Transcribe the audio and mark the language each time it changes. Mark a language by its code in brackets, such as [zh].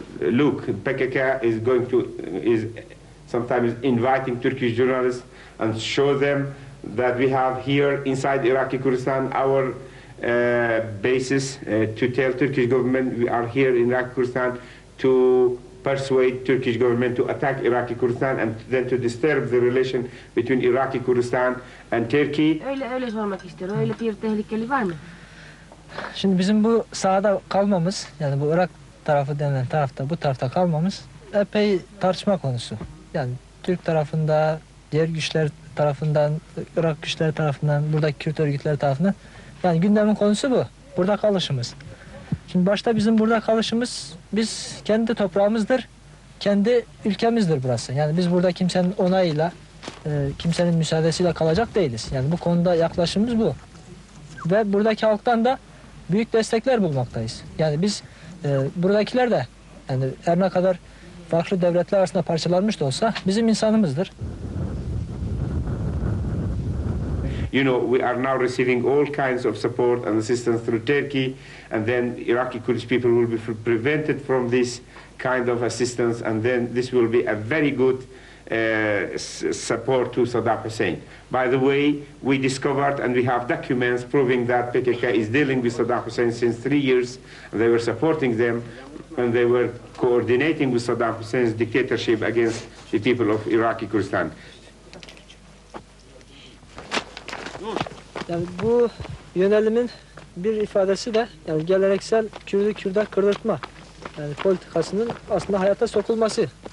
[en] Look, PKK is going to, is sometimes inviting Turkish journalists and show them that we have here inside Iraqi Kurdistan our basis to tell Turkish government we are here in Iraqi Kurdistan to persuade Turkish government to attack Iraqi Kurdistan and then to disturb the relation between Iraqi Kurdistan and Turkey. [tr] Öyle öyle sormak ister. Öyle bir tehlikeli var mı? Şimdi bizim bu sahada kalmamız, yani bu Irak tarafı denilen tarafta, bu tarafta kalmamız epey tartışma konusu. Yani Türk tarafında, diğer güçler tarafından, Irak güçleri tarafından, buradaki Kürt örgütleri tarafından. Yani gündemin konusu bu. Burada kalışımız. Şimdi başta bizim burada kalışımız, biz kendi toprağımızdır, kendi ülkemizdir burası. Yani biz burada kimsenin onayıyla, kimsenin müsaadesiyle kalacak değiliz. Yani bu konuda yaklaşımımız bu. Ve buradaki halktan da büyük destekler bulmaktayız. Yani biz buradakiler de, yani her ne kadar farklı devletler arasında parçalanmış da olsa bizim insanımızdır. [en] You know, we are now receiving all kinds of support and assistance through Turkey, and then Iraqi Kurdish people will be prevented from this kind of assistance, and then this will be a very good support to Saddam Hussein. By the way, we discovered and we have documents proving that PKK is dealing with Saddam Hussein since 3 years, and they were supporting them, and they were coordinating with Saddam Hussein's dictatorship against the people of Iraqi Kurdistan. [tr] Yani bu yönelimin bir ifadesi de yani geleneksel Kürt'ü Kürt'e kırdırtma yani politikasının aslında hayata sokulması.